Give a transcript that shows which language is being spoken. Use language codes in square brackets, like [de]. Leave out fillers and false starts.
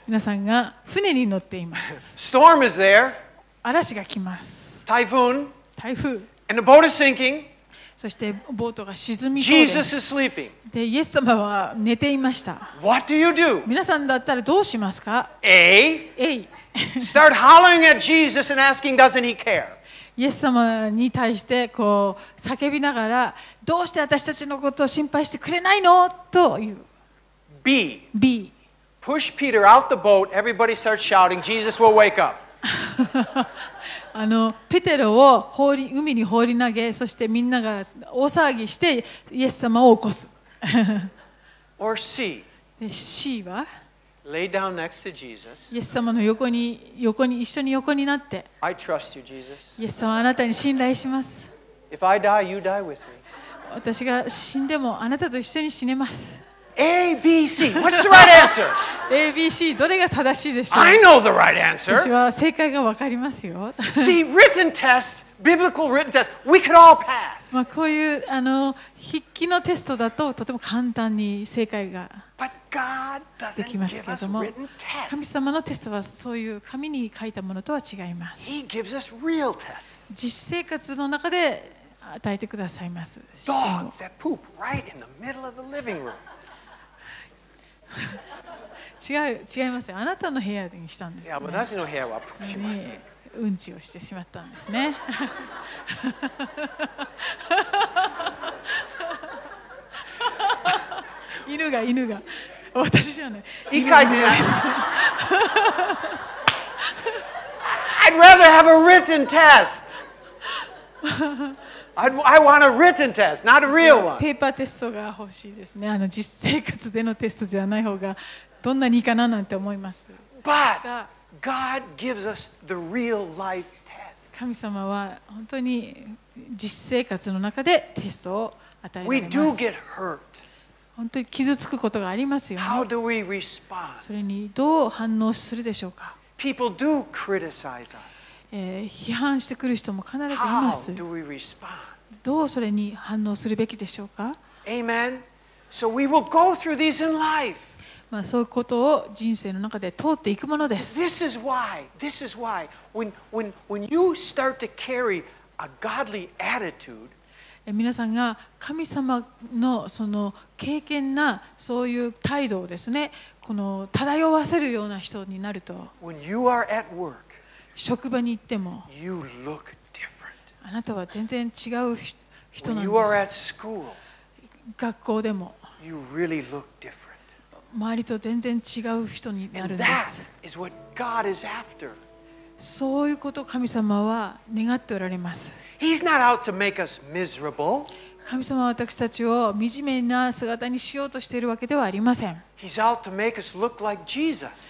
[ja] 皆さんが船に乗っています。 [en] Storm is there. [ja] 嵐が来ます。 [en] Typhoon. [ja] 台風。 [en] And the boat is sinking. [ja] そしてボートが沈みそうです。 [en] Jesus is sleeping. [ja] で、イエス様は寝ていました。 [en] What do you do? [ja] 皆さんだったらどうしますか [en] ？A. A. Start hollering at Jesus and asking, doesn't he care? [ja] イエス様に対してこう叫びながら、どうして私たちのことを心配してくれないのという。 [en] B. B. Push Peter out the boat. Everybody starts shouting. Jesus will wake up. [ja] あのペテロを海に放り投げ、そしてみんなが大騒ぎしてイエス様を起こす。 [en] Or C. [ja] C は [en] Lay down next to Jesus. [ja] イエス様の横に一緒に横になって。 [en] I trust you, Jesus. [ja] イエス様、あなたに信頼します。 [en] If I die, you die with me. [ja] 私が死んでもあなたと一緒に死ねます。 [en] A, B, C. What's the right answer? A, B, C. [ja] どれが正しいでしょう? [en] I know the right answer. [ja] 私は正解が分かりますよ。 [en] See, written test, biblical written test, we could all pass. [ja] まあこういうあの筆記のテストだととても簡単に正解ができますけれども、神様のテストはそういう紙に書いたものとは違います。 [en] He gives us real tests. [ja] 実生活の中で与えてくださいます。 [en] Dogs that poop right in the middle of the living room. [ja] 違いますよ。あなたの部屋にしたんですね。いや、私の部屋はプッしません、ね。うんちをしてしまったんですね。犬が。私じゃない。いいかい [en] I'd rather have a written test. I want a written test, not a real one. [ja] ペーパーテストが欲しいですね。あの実生活でのテストじゃない方がどんなにいいかななんて思います。 [en] But God gives us the real life test. [ja] 神様は本当に実生活の中でテストを与えられます。 [en] We do get hurt. [ja] 本当に傷つくことがありますよね。 [en] How do we respond? [ja] それにどう反応するでしょうか。 [en] People do criticize us. [ja] 批判してくる人も必ずいます。 [en] How do we respond? [ja] どうそれに反応するべきでしょうか。 [en] Amen. So we will go through these in life. [ja] まあそういうことを人生の中で通っていくものです。 [en] This is why. When you start to carry a godly attitude. [ja] 皆さんが神様のその敬虔なそういう態度をですね、この漂わせるような人になると。 [en] When you are at work. [ja] 職場に行っても [en] you look different. [ja] あなたは全然違う人なんです。 [en] When you are at school, [ja] 学校でも [en] you really look different. [ja] 周りと全然違う人になるんです。 [en] And that is what God is after. [ja] そういうことを神様は願っておられます。 [en] He's not out to make us miserable. [ja] 神様は私たちを惨めな姿にしようとしているわけではありません。 [en] He's out to make us look like Jesus.